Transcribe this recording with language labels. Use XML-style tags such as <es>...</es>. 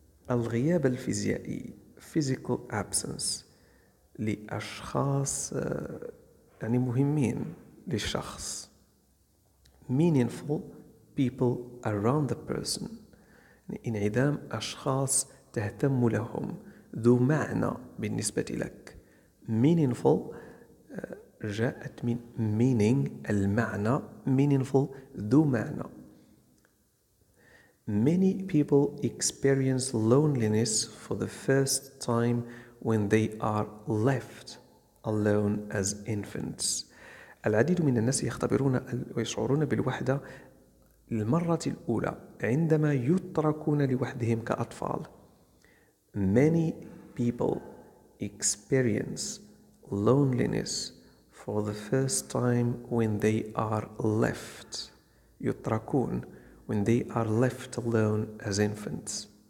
<ar>الغياب الفيزيائي</ar> <en>physical absence</en> <ar>لأشخاص يعني مهمين للشخص</ar> <en>meaningful people around the person</en> <ar>انعدام أشخاص تهتم لهم ذو معنى بالنسبة لك meaningful جاءت من meaning المعنى meaningful ذو معنى.</ar> <en>Many people experience loneliness for the first time when they are left alone as infants.</en> <ar>العديد من الناس يختبرون ويشعرون بالوحدة للمرة الأولى عندما يتركون لوحدهم كأطفال.</ar> <en>Many people experience loneliness for the first time when they are left يتركون when they are left alone as infants.</en>